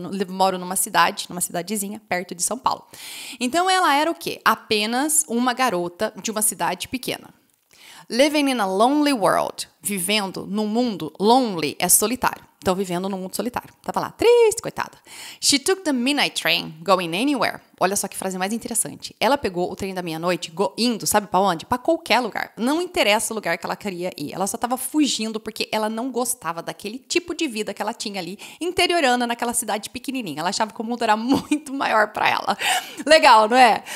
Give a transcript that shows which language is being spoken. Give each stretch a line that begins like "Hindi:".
Portuguese: Moro numa cidadezinha perto de São Paulo. Então ela era o quê? Apenas uma garota de uma cidade pequena.
English: Living in a lonely world,
Portuguese: vivendo num mundo lonely, é solitário. Então, vivendo num mundo solitário. Tava lá, triste, coitada.
English: She took the midnight train, going anywhere.
Portuguese: Olha só que frase mais interessante. Ela pegou o trem da meia-noite, indo, sabe pra onde? Pra qualquer lugar. Não interessa o lugar que ela queria ir. Ela só tava fugindo porque ela não gostava daquele tipo de vida que ela tinha ali, interiorana, naquela cidade pequenininha. Ela achava que o mundo era muito maior pra ela. Legal, não é?